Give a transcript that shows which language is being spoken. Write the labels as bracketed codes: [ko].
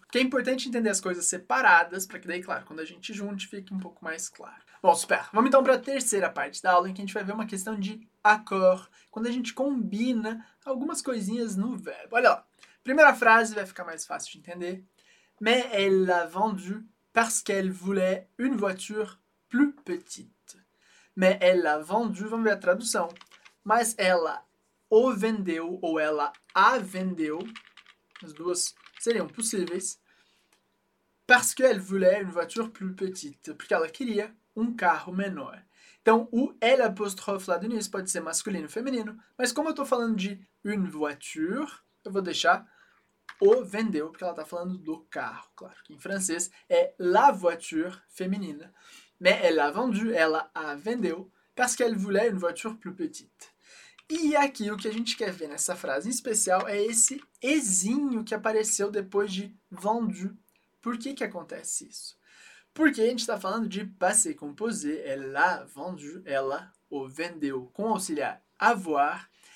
[pt] Porque é importante entender as coisas separadas, para que daí, claro, quando a gente junte, fique um pouco mais claro. Bom, super. Vamos então para a terceira parte da aula, em que a gente vai ver uma questão de accord, quando a gente combina algumas coisinhas no verbo. Olha lá. Primeira frase vai ficar mais fácil de entender. [fr] Mais elle l'a vendue parce qu'elle voulait une voiture plus petite. Mais elle l'a vendue, [pt] vamos ver a tradução. Mas ela o vendeu ou ela a vendeu, as duas seriam possíveis, [fr] parce qu'elle voulait une voiture plus petite, [pt] porque ela queria um carro menor. Então, o L' apostrophe lá do início pode ser masculino ou feminino, mas como eu estou falando de une voiture, eu vou deixar o vendeu, porque ela está falando do carro, claro, que em francês é la voiture feminina. [fr] Mais elle a vendu, [pt] ela a vendeu, [fr] parce qu'elle voulait une voiture plus petite. [pt] E aqui o que a gente quer ver nessa frase em especial é esse ezinho que apareceu depois de vendu. Por que que acontece isso? Porque a gente está falando de passé composé, ela vendu, ela o vendeu com o auxiliar avoir.